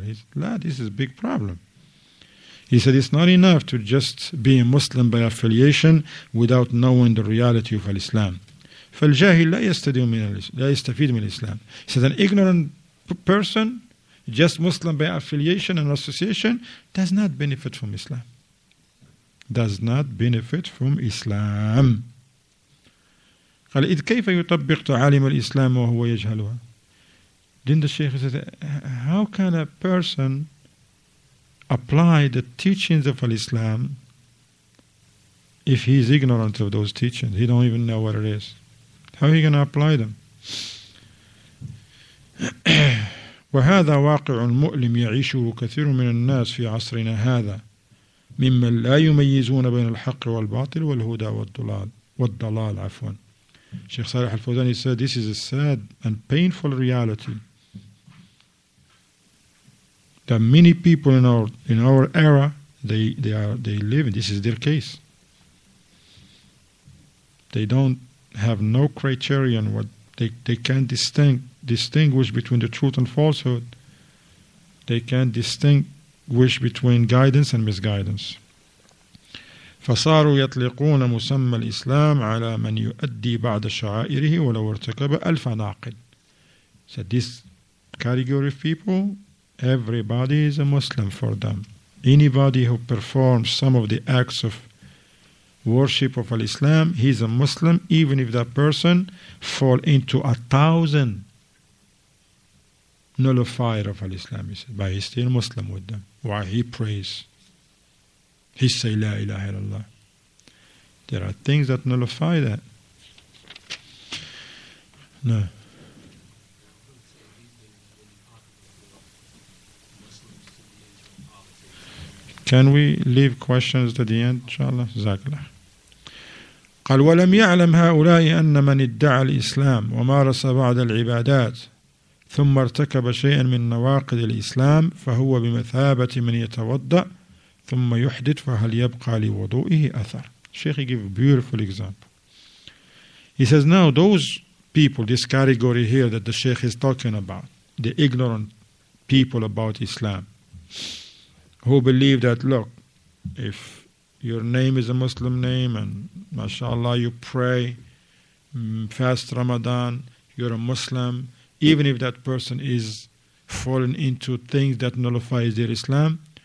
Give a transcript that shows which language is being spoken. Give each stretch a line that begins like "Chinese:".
English: He said, this is a big problem. He said, it's not enough to just be a Muslim by affiliation without knowing the reality of Al-Islam.
Arabic: فَالْجَاهِلْ لَا يَسْتَفِيدُ مِنْ الْإِسْلَامِ.
English: He said, an ignorant person, just Muslim by affiliation and association, does not benefit from Islam. Does not benefit from Islam.
Arabic: قال إذ كيف يطبق تعاليم الإسلام وهو يجهلها.
English: Then the Shaykh said, how can a person apply the teachings of Al-Islam if he is ignorant of those teachings? He don't even know what it is. How are he going to apply them?
Arabic: وهذا واقع مؤلم يعيشه كثير من الناس في عصرنا هذا ممن لا يميزون بين الحق والباطل والهدى والضلال عفوا.
English: Sheikh Salih Al-Fawzani said, this is a sad and painful reality that many people in our era, they live in. This is their case. They don't have no criterion. They can't distinguish between the truth and falsehood. They can't distinguish between guidance and misguidance.
Arabic: فصاروا يطلقون مسمى الإسلام على من يؤدي بعض شعائره ولو ارتكب ألف ناقل.
English: So this category of people, everybody is a Muslim for them. Anybody who performs some of the acts of worship of Al-Islam, he's a Muslim, even if that person fall into 1,000 nullifier of Al-Islam. He said, but he's still Muslim with them. Why? He prays. He say, La ilaha illallah. There are things that nullify that. No. Can we leave questions to the end, inshallah? Zakla.
Arabic: قال ولم يعلم هؤلاء أن من ادعى الإسلام ومارس بعض العبادات ثم ارتكب شيئا من نواقض الإسلام فهو بمثابة من يتوضأ ثم يحدث فهل يبقى لوضوئه أثر.
English: Sheikh gave a beautiful example. He says, now those people, this category here that the Sheikh is talking about, the ignorant people about Islam, who believe that, look, if your name is a Muslim name and mashallah you pray, fast Ramadan, you're a Muslim, even if that person is falling into things that nullifies their Islam,